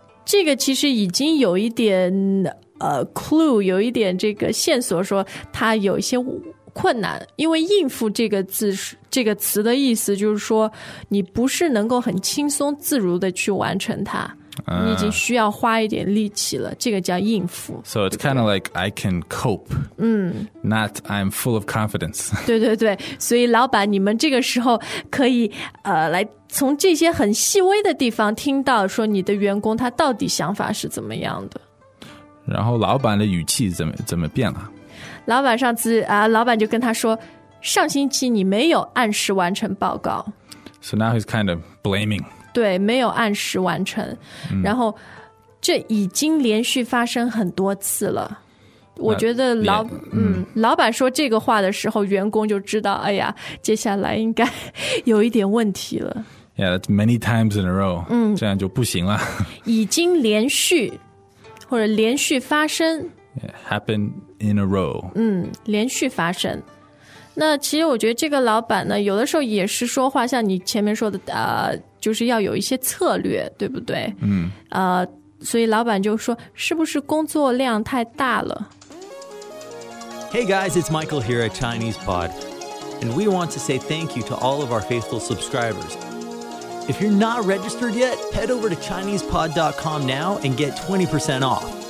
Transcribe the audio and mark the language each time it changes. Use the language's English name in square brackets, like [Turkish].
[Chinese] 这个其实已经有一点clue， 有一点这个线索说他有一些困难，因为应付这个字，这个词的意思就是说你不是能够很轻松自如的去完成它，你已经需要花一点力气了，这个叫应付。 [English] So it's kind of like I can cope. [Chinese] 嗯。 [English] Not I'm full of confidence. [Chinese] 对对对，所以老板你们这个时候可以来从这些很细微的地方听到说你的员工他到底想法是怎么样的。然后老板的语气怎么变了？老板上次老板就跟他说，上星期你没有按时完成报告。 [English] So now he's kind of blaming. [Chinese] 对，没有按时完成，嗯，然后这已经连续发生很多次了。我觉得老板说这个话的时候，员工就知道，哎呀，接下来应该有一点问题了。 [English] Yeah, that's many times in a row. [Chinese] 嗯，这样就不行了。已经连续或者连续发生 [English] yeah, ，happen in a row. [Chinese] 嗯，连续发生。那其实我觉得这个老板呢，有的时候也是说话，像你前面说的，就是要有一些策略，对不对？嗯。所以老板就说，是不是工作量太大了 [English] ？Hey guys, it's Michael here at Chinese Pod, and we want to say thank you to all of our faithful subscribers. If you're not registered yet, head over to ChinesePod.com now and get 20% off.